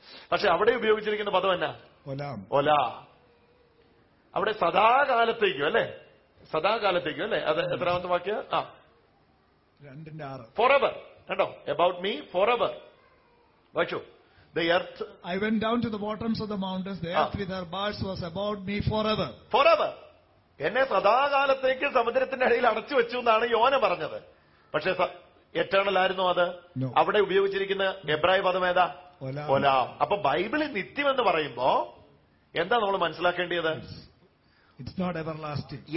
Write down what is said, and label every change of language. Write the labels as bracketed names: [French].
[Malayalam] പക്ഷെ അവിടെ ഉപയോഗിച്ചിരിക്കുന്ന പദം എന്നാ? ഒലാം. ഒലാ അവിടെ സദാകാലത്തേക്കും അല്ലെ? സദാകാലത്തേക്കും അല്ലെ. അത് എത്രാമത്തെ വാക്യ? ആ രണ്ടിന്റെ ആറ്. [English] Forever കണ്ടോ, about me forever വായിച്ചു. The earth, I went down to the bottoms of the mountains. The earth with her bars was about me forever. Forever. [Malayalam] എന്നെ സദാകാലത്തേക്ക് സമുദ്രത്തിന്റെ അടിയിൽ അടച്ചു വെച്ചു എന്നാണ് യോന പറഞ്ഞത്. പക്ഷേ എറ്റേണൽ ആയിരുന്നു അത്. അവിടെ ഉപയോഗിച്ചിരിക്കുന്ന എബ്രായ പദം ഏതാ? ഒലാം. അപ്പൊ ബൈബിളിൽ നിത്യം എന്ന് പറയുമ്പോ എന്താ നമ്മൾ മനസ്സിലാക്കേണ്ടത്? [English] It's not everlasting.